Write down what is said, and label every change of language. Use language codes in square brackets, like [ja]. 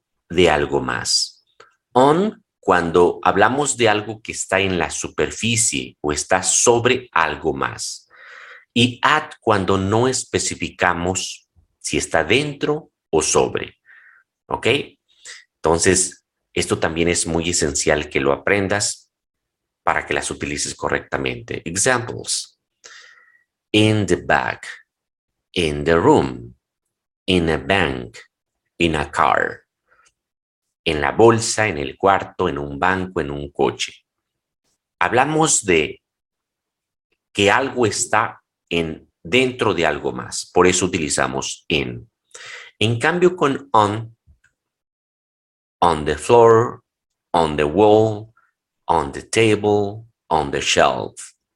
[es] De algo más. On, cuando hablamos de algo que está en la superficie o está sobre algo más. Y at, cuando no especificamos si está dentro o sobre, ¿ok? Entonces, esto también es muy esencial que lo aprendas para que las utilices correctamente. [en] Examples. In the back, in the room, in a bank, in a car. [es] En la bolsa, en el cuarto, en un banco, en un coche. Hablamos de que algo está en dentro de algo más. Por eso utilizamos [en] in. [es] En cambio con [en] on, on the floor, on the wall, on the table, on the shelf.